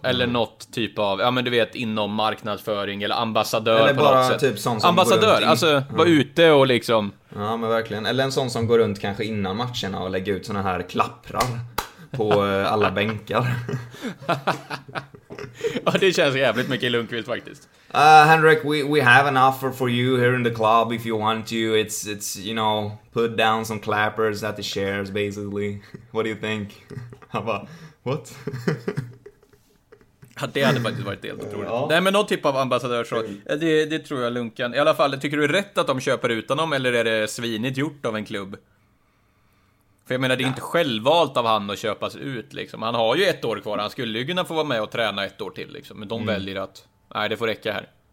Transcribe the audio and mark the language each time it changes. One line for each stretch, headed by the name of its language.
Swedish: Eller något typ av, ja men du vet, inom marknadsföring eller ambassadör eller på något sätt. Eller bara typ sån som ambassadör, runt, alltså vara ute och liksom. Ja, men verkligen. Eller en sån som går runt kanske innan matcherna och lägger ut såna här klapprar på alla bänkar. Ja, det känns jävligt mycket Lundqvist faktiskt.
English: Henrik, we have an offer for you here in the club if you want to. It's you know, put down some clappers at the chairs basically. What do you think? How about, what?
Swedish: det hade faktiskt varit helt otroligt. Ja. Nej, men någon typ av ambassadör så, det tror jag lunkan. I alla fall, tycker du är rätt att de köper utan dem, eller är det svinigt gjort av en klubb? För jag menar, det är inte självvalt av han att köpas ut liksom. Han har ju ett år kvar, han skulle ju kunna få vara med och träna ett år till liksom. Men de väljer att, nej, det får räcka här.